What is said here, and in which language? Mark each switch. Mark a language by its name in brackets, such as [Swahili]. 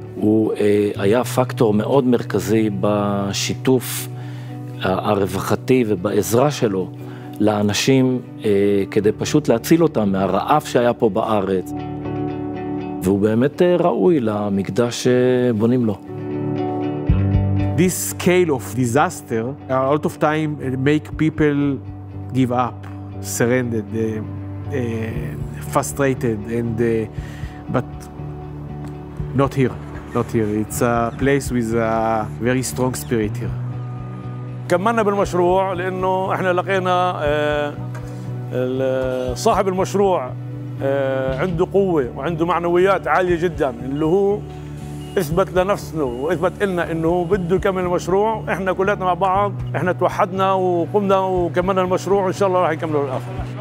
[Hebrew] הוא היה פקטור מאוד מרכזי בשיתוף הרווחתי ובעזרה שלו לאנשים, כדי פשוט להציל אותם מהרעב שהיה פה בארץ. והוא באמת ראוי למקדש שבונים לו. [English] This scale of disaster, a lot of time make people give up, surrendered, frustrated, and but not here, not here. It's a place with a very strong spirit here. [Arabic] كملنا بالمشروع لأنه إحنا لقينا صاحب المشروع عنده قوة وعنده معنويات عالية جدا اللي هو اثبت لنفسنا واثبت لنا انه بده يكمل المشروع احنا كلنا مع بعض احنا توحدنا وقمنا وكملنا المشروع وان شاء الله راح يكملوا الاخر